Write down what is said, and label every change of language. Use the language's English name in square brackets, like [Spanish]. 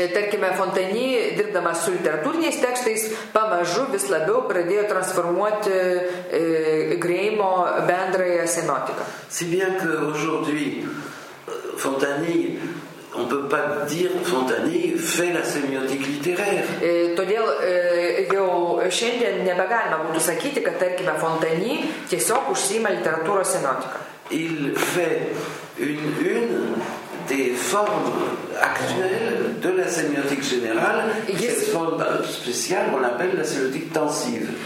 [Lithuanian] Et tarkime, Fontanille, dirbdamas su literatūriniais tekstais, pamažu vis labiau pradėjo transformuoti Greimo bendrąją semiotiką. [French] Si bien qu'aujourd'hui, Fontanille, on peut pas dire Fontanille fait la sémiotique littéraire. [Lithuanian] Todėl jau šiandien nebegalima būtų sakyti, kad tarkime Fontanille tiesiog užsiima literatūros semiotika. [French] Il fait une des formes actuelles de la sémiotique générale. Cette forme spéciale, on l'appelle la sémiotique tensive.